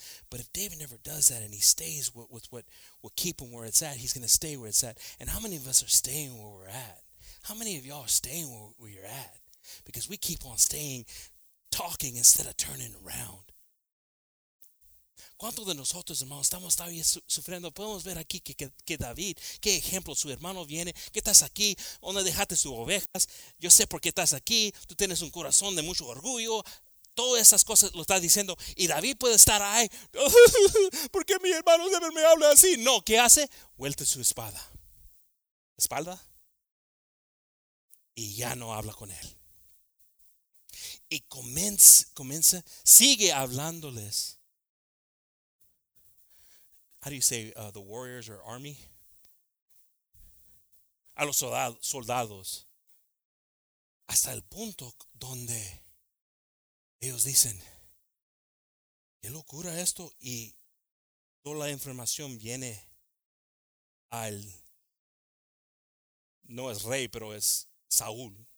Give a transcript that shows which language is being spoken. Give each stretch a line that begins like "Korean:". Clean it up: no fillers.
English: But if David never does that and he stays with what will keep him where it's at, he's going to stay where it's at. And how many of us are staying where we're at? How many of y'all are staying where you're at? Because we keep on staying, talking instead of turning around.
Spanish: ¿Cuántos de nosotros, hermanos, estamos todavía sufriendo? Podemos ver aquí que David, qué ejemplo, su hermano viene. ¿Qué estás aquí? ¿Dónde dejaste sus ovejas? Yo sé por qué estás aquí. Tú tienes un corazón de mucho orgullo. Todas esas cosas lo está diciendo. Y David puede estar ahí. ¿Por qué mi hermano siempre me habla así? No, ¿qué hace? Vuelve su espada. ¿Espalda? Y ya no habla con él. Y comienza, sigue hablándoles.
English: How do you say the warriors or army?
Spanish: A los soldados. Hasta el punto donde ellos dicen, ¿qué locura esto? Y toda la información viene al, no es rey, pero es Saúl.